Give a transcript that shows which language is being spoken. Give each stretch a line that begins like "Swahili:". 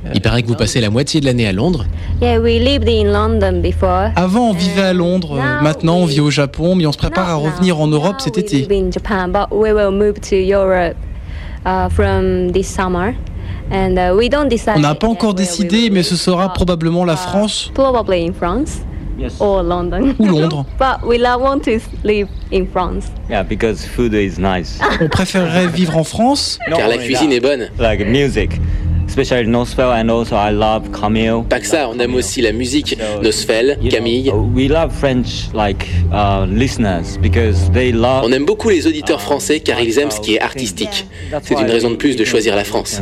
French: Il paraît que vous passez la moitié de l'année à Londres.
English: Yeah, we lived in London before.
French: Avant, on vivait à Londres. Maintenant, on vit au Japon, mais on se prépare à revenir en Europe cet été.
English: We live in Japan, but we will move to Europe from this summer. And we don't decide.
French: On n'a pas encore décidé, mais ce sera probablement la France.
English: Probably in France. Yes. Or London.
French: Ou Londres.
English: But we want to live in France. Yeah, because food is nice.
French: On préférerait vivre en France. Car la cuisine est bonne.
English: Like music. Especially Nosfell and also I love Camille.
French: Pas que ça, on aime aussi la musique. Nosfell, Camille.
English: We love French like listeners because they love.
French: On aime beaucoup les auditeurs français car ils aiment ce qui est artistique. C'est une raison de plus de choisir la France.